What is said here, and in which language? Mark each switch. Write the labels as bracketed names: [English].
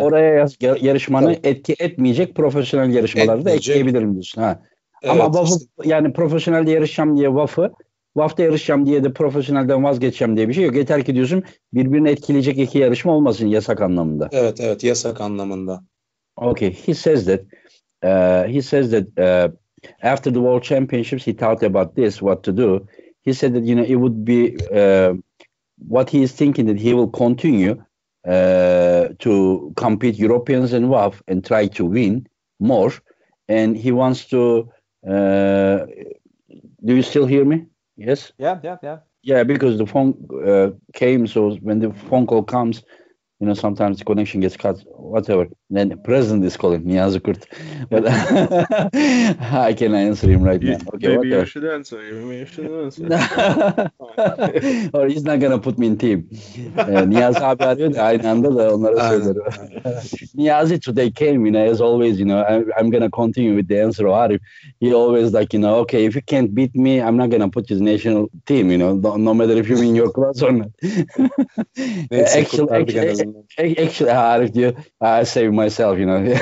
[Turkish] Avrupa oraya yarışmanı tabii. etki etmeyecek profesyonel yarışmaları etmeyecek. Da ekleyebilirim diyorsun. Ha. Evet, ama WAF'ı işte. Yani profesyonelde yarışacağım diye WAF'ı WAF'ta yarışacağım diye de profesyonelden vazgeçeceğim diye bir şey yok. Yeter ki diyorsun birbirini etkileyecek iki yarışma olmasın yasak anlamında. Evet evet yasak anlamında. [English] Okay, he says that after the World Championships he thought about this, what to do. He said that, you know, it would be what he is thinking that he will continue to compete Europeans and WAF and try to win more. And he wants to, do you still hear me? Yes? Yeah. Yeah, because the phone came, so when the phone call comes, you know, sometimes the connection gets cut, whatever. Then the president is calling, Niyazi Kurt. But I can answer him right now. Okay, maybe You should answer. Maybe you should answer. Or he's not going to put me in team. [Turkish] Niyazi abi arıyor da aynı anda da onlara söylüyor. [English] Niyazi today came, you know, as always, you know, I'm going to continue with the answer of Arif. He always like, you know, okay, if you can't beat me, I'm not going to put his national team, you know, no matter if you win your class or not. Actually, [Turkish] Arif diyor, [English] I save myself, you know.